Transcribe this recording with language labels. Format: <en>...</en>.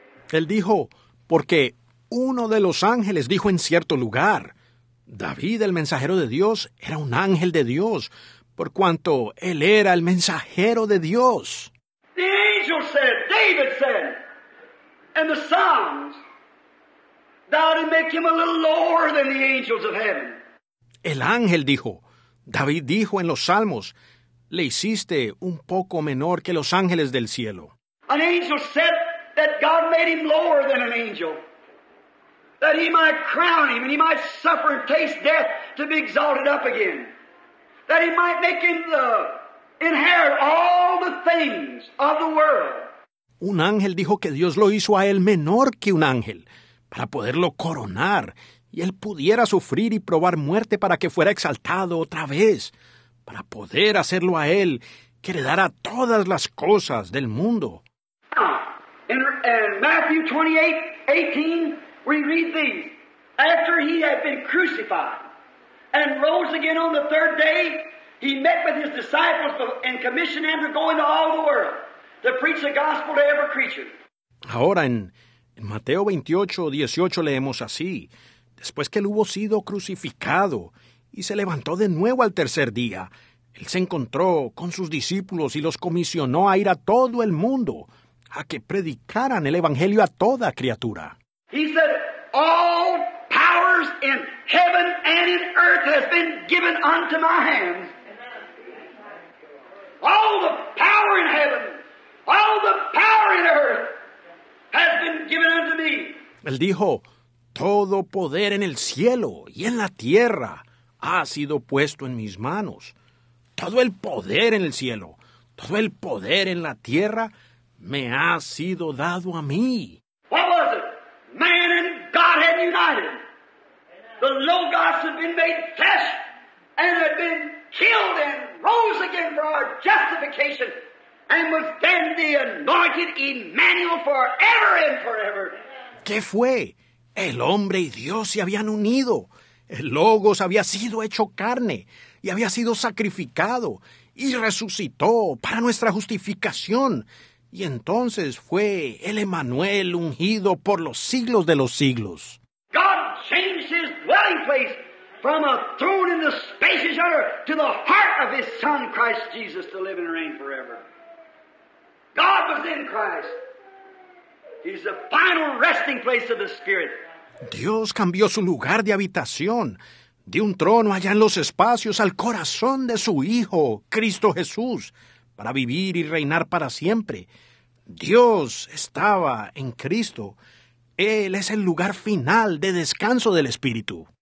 <es>Él dijo, porque uno de los ángeles dijo en cierto lugar, David, el mensajero de Dios, era un ángel de Dios, por cuanto él era el mensajero de Dios.</es> <en>The angel said, David said, in the Psalms, thou didst make him a little lower than the angels of heaven.</en> <es>El ángel dijo, David dijo en los Salmos, le hiciste un poco menor que los ángeles del cielo.</es> <en>An angel said that God made him lower than an angel, that he might crown him and he might suffer and taste death to be exalted up again, that he might make him inherit all the things of the world.</en> <es>Un ángel dijo que Dios lo hizo a él menor que un ángel para poderlo coronar y él pudiera sufrir y probar muerte para que fuera exaltado otra vez, para poder hacerlo a él que heredara todas las cosas del mundo.</es> <en>In Matthew 28:18, we read these. After he had been crucified and rose again on the third day, he met with his disciples and commissioned them to go into all the world to preach the gospel to every creature.</en> <es>Ahora en Mateo 28:18 leemos así. Después que él hubo sido crucificado y se levantó de nuevo al tercer día, él se encontró con sus discípulos y los comisionó a ir a todo el mundo a que predicaran el evangelio a toda criatura.</es> <en>He said, all powers in heaven and in earth has been given unto my hands. All the power in heaven, all the power in earth has been given unto me.</en> <es>Él dijo, todo poder en el cielo y en la tierra ha sido puesto en mis manos. Todo el poder en el cielo, todo el poder en la tierra me ha sido dado a mí.</es> <en>What was it? Man and God had united. The Logos had been made flesh and had been killed and rose again for our justification and was then the anointed Emmanuel forever and forever.</en> <es>¿Qué fue? El hombre y Dios se habían unido. El Logos había sido hecho carne y había sido sacrificado y resucitó para nuestra justificación. Y entonces fue el Emmanuel ungido por los siglos de los siglos.</es> <en>God changed his dwelling place from a throne in the spacious earth to the heart of his son, Christ Jesus, to live and reign forever. God was in Christ. He's the final resting place of the Spirit.</en> <es>Dios cambió su lugar de habitación, de un trono allá en los espacios al corazón de su Hijo, Cristo Jesús, para vivir y reinar para siempre. Dios estaba en Cristo. Él es el lugar final de descanso del Espíritu.</es>